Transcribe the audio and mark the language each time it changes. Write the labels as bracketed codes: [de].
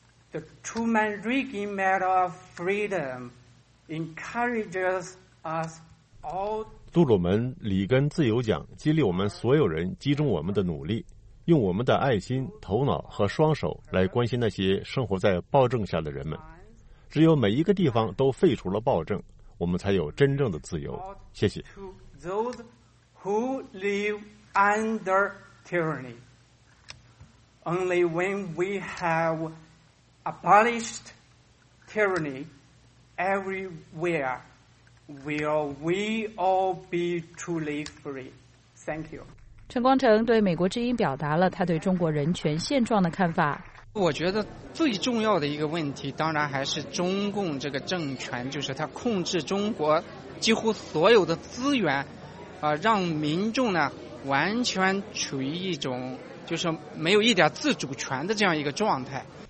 [en] The Truman Reagan Medal of Freedom encourages us all [zh] 杜鲁门·里根自由奖激励我们所有人集中我们的努力，用我们的爱心、头脑和双手来关心那些生活在暴政下的人们。只有每一个地方都废除了暴政，我们才有真正的自由。谢谢。 [en] Those who live under tyranny, only when we have abolished tyranny everywhere, will we all be truly free. Thank you. [zh] 陈光诚对美国之音表达了他对中国人权现状的看法。我觉得最重要的一个问题当然还是中共这个政权，就是他控制中国几乎所有的资源，让民众呢完全处于一种就是没有一点自主权的这样一个状态。